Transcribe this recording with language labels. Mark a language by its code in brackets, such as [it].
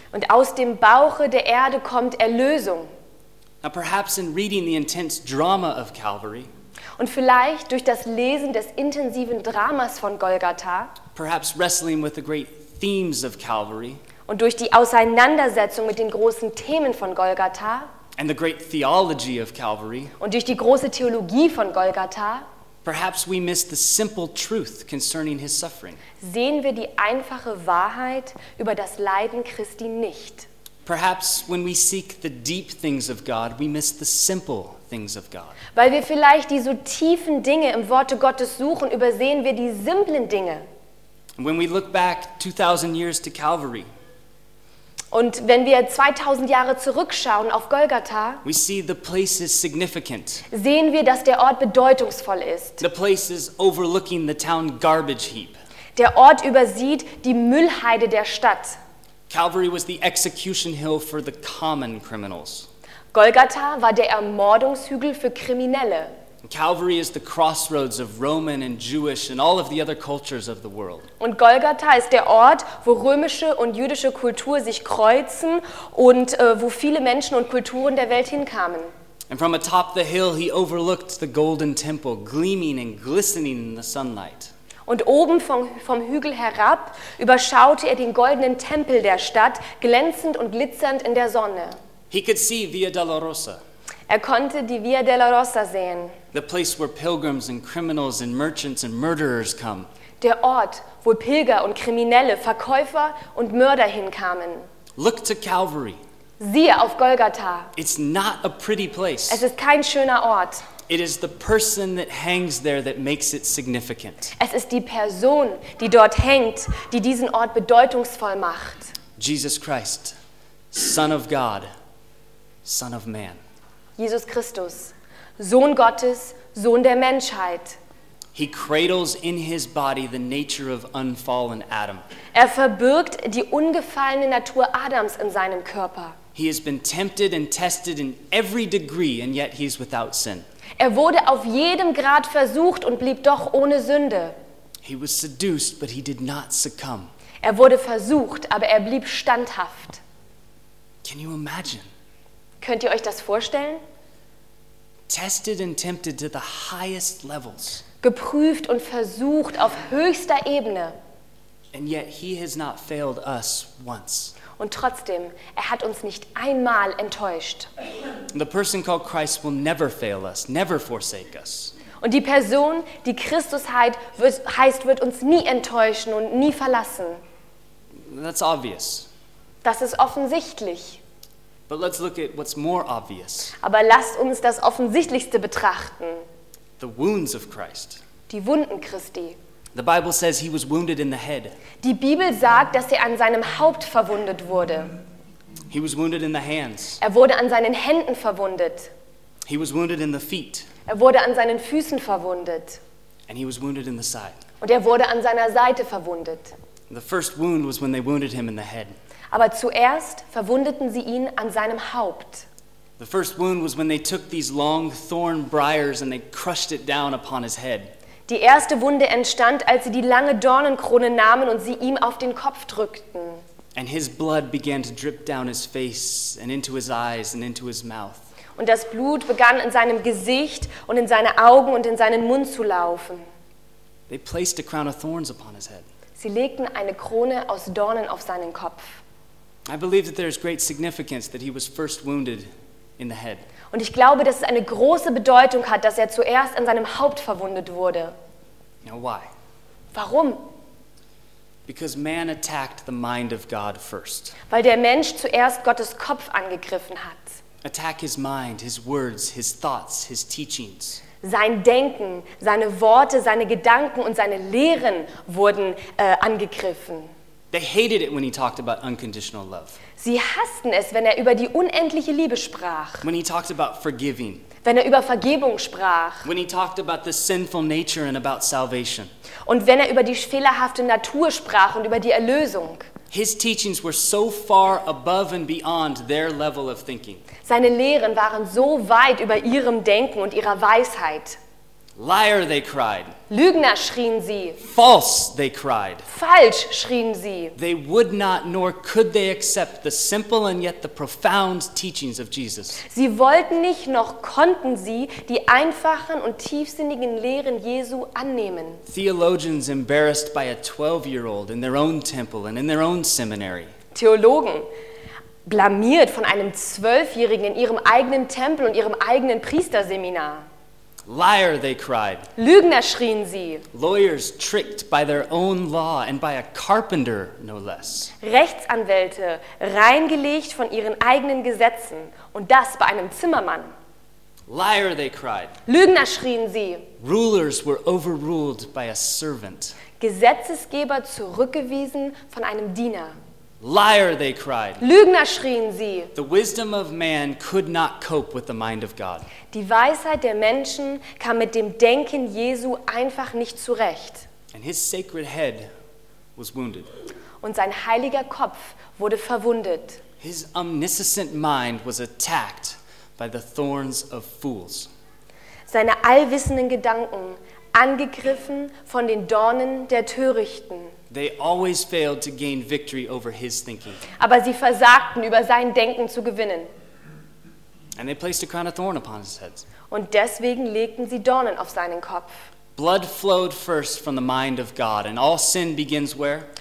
[de] Und aus dem Bauche der Erde kommt Erlösung. [en] Now perhaps in reading the intense drama of Calvary, [de] und vielleicht durch das Lesen des intensiven Dramas von Golgatha, [en] perhaps wrestling with the great themes of Calvary, [de] und durch die Auseinandersetzung mit den großen Themen von Golgatha, [en] and the great theology of Calvary, [de] und durch die große Theologie von Golgatha, [en] perhaps we miss the simple truth concerning his suffering. [de] Sehen wir die einfache Wahrheit über das Leiden Christi nicht. [en] Perhaps when we seek the deep things of God, we miss the simple things of God. [de] Weil wir vielleicht die so tiefen Dinge im Worte Gottes suchen, übersehen wir die simplen Dinge. [en] When we look back 2000 years to Calvary, [de] und wenn wir 2000 Jahre zurückschauen auf Golgatha, [en] we see the place is significant. [de] Sehen wir, dass der Ort bedeutungsvoll ist. [en] The place is overlooking the town garbage heap. [de] Der Ort übersieht die Müllheide der Stadt. [en] Calvary was the execution hill for the common criminals. [de] Golgatha war der Ermordungshügel für Kriminelle. [en] Calvary is the crossroads of Roman and Jewish and all of the other cultures of the world. [de] Und Golgatha ist der Ort, wo römische und jüdische Kultur sich kreuzen und wo viele Menschen und Kulturen der Welt hinkamen. [en] And from atop the hill he overlooked the golden temple, gleaming and glistening in the sunlight. [de] Und oben vom Hügel herab überschaute den goldenen Tempel der Stadt, glänzend und glitzernd in der Sonne. [en] He could see Via Dolorosa. [de] Er konnte die Via Dolorosa sehen. [en] The place where pilgrims and criminals and merchants and murderers come. [de] Der Ort, wo Pilger und Kriminelle, Verkäufer und Mörder hinkamen. [en] Look to Calvary. [de] Siehe auf Golgatha. [en] It's not a pretty place. [de] Es ist kein schöner Ort. [en] It is the person that hangs there that makes it significant. [de] Es ist die Person, die dort hängt, die diesen Ort bedeutungsvoll macht. [en] Jesus Christ, Son of God, Son of Man. [de] Jesus Christus, Sohn Gottes, Sohn der Menschheit. [en] He cradles in his body the nature of unfallen Adam. [de] Er verbirgt die ungefallene Natur Adams in seinem Körper. [en] He has been tempted and tested in every degree, and yet he is without sin. [de] Er wurde auf jedem Grad versucht und blieb doch ohne Sünde. [en] He was seduced, but he did not succumb. [de] Er wurde versucht, aber er blieb standhaft. [en] Can you imagine? [de] Könnt ihr euch das vorstellen? [en] Tested and tempted to the highest levels. [de] Geprüft und versucht auf höchster Ebene. [en] And yet he has not failed us once. [de] Und trotzdem, er hat uns nicht einmal enttäuscht. [en] The person called Christ will never fail us, never forsake us. [de] Und die Person, die Christus heißt, wird uns nie enttäuschen und nie verlassen. [en] That's obvious. [de] Das ist offensichtlich. [en] But let's look at what's more obvious. [de] Aber lasst uns das Offensichtlichste betrachten. [en] The wounds of Christ. [de] Die Wunden Christi. [en] The Bible says he was wounded in the head. [de] Die Bibel sagt, dass an seinem Haupt verwundet wurde. [en] He was wounded in the hands. [de] Er wurde an seinen Händen verwundet. [en] He was wounded in the feet. [de] Er wurde an seinen Füßen verwundet. [en] And he was wounded in the side. [de] Und wurde an seiner Seite verwundet. [en] The first wound was when they wounded him in the head. [de] Aber zuerst verwundeten sie ihn an seinem Haupt. [en] The first wound was when they took these long thorn briars and they crushed it down upon his head. [de] Die erste Wunde entstand, als sie die lange Dornenkrone nahmen und sie ihm auf den Kopf drückten. [en] And his blood began to drip down his face and into his eyes and into his mouth. [de] Und das Blut begann in seinem Gesicht und in seine Augen und in seinen Mund zu laufen. [en] They placed a crown of thorns upon his head. [de] Sie legten eine Krone aus Dornen auf seinen Kopf. [en] I believe that there is great significance that he was first wounded in the head. [de] Und ich glaube, dass es eine große Bedeutung hat, dass zuerst an seinem Haupt verwundet wurde. [en] Now why? [de] Warum? [en] Because man attacked the mind of God first. [de] Weil Mensch zuerst Gottes Kopf angegriffen hat. [en] Attack his mind, his words, his thoughts, his teachings. [de] Sein Denken, seine Worte, seine Gedanken und seine Lehren wurden angegriffen. [en] They hated it when he talked about unconditional love. [de] Sie hassten es, wenn er über die unendliche Liebe sprach. [en] When he talked about forgiving. [de] Wenn er über Vergebung sprach. [en] When he talked about the sinful nature and about salvation. [de] Und wenn er über die fehlerhafte Natur sprach und über die Erlösung. [en] His teachings were so far above and beyond their level of thinking. [de] Seine Lehren waren so weit über ihrem Denken und ihrer Weisheit. [en] Liar, they cried. [de] Lügner, schrien sie. [en] False, they cried. [de] Falsch, schrien sie. [en] They would not nor could they accept the simple and yet the profound teachings of Jesus. [de] Sie wollten nicht noch konnten sie die einfachen und tiefsinnigen Lehren Jesu annehmen. [en] Theologians embarrassed by a 12-year-old in their own temple and in their own seminary. [de] Theologen blamiert von einem 12-Jährigen in ihrem eigenen Tempel und ihrem eigenen Priesterseminar. [en] Liar, they cried. [de] Lügner, schrien sie. [en] Lawyers tricked by their own law and by a carpenter, no less. [de] Rechtsanwälte reingelegt von ihren eigenen Gesetzen und das bei einem Zimmermann. [en] Liar, they cried. [de] Lügner, schrien sie. [en] Rulers were overruled by a servant. [de] Gesetzesgeber zurückgewiesen von einem Diener. [en] Liar, they cried. [de] Lügner, schrien sie. [en] The wisdom of man could not cope with the mind of God. [de] Die Weisheit der Menschen kam mit dem Denken Jesu einfach nicht zurecht. [en] And his sacred head was wounded. [de] Und sein heiliger Kopf wurde verwundet. [en] His omniscient mind was attacked by the thorns of fools. [de] Seine allwissenden Gedanken angegriffen von den Dornen der Törichten. [en] They always failed to gain victory over his thinking. [de] Aber sie versagten, über sein Denken zu gewinnen. [en] And they placed a crown of thorn upon his head. [de] Und deswegen legten sie Dornen auf seinen Kopf. [en] Blood flowed first from the mind of God, and all sin begins where?